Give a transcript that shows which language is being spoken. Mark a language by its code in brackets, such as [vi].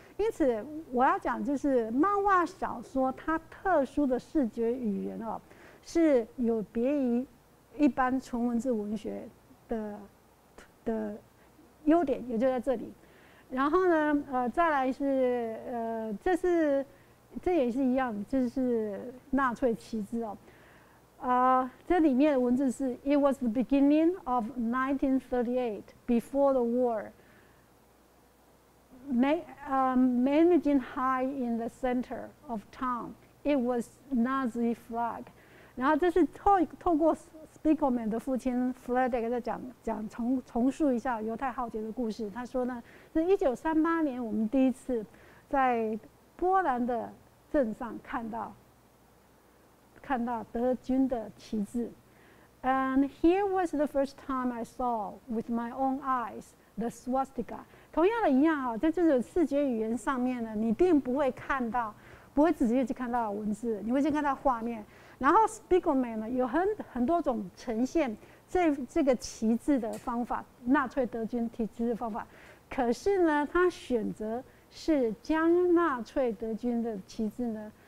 [zh] 因此我要讲，就是漫画小说它特殊的视觉语言哦，是有别于一般纯文字文学的优点，也就在这里。然后呢，再来是这也是一样，就是纳粹旗帜哦。这里面的文字是 [en] "It was the beginning of 1938, before the war." [zh] Managing high in the center of town, it was Nazi flag. 然后这是透过。 Spiegelman 的父亲 Fredek 在讲重述一下犹太浩劫的故事。他说呢，是1938年我们第一次在波兰的镇上看到德军的旗帜。 [en] And here was the first time I saw with my own eyes the swastika. [zh] 同样的一样啊，在这种视觉语言上面呢，你并不会看到，不会直接去看到文字，你会先看到画面。然后 Spiegelman 呢，有很多种呈现这个旗帜的方法，纳粹德军旗帜的方法。可是呢，他选择是将纳粹德军的旗帜呢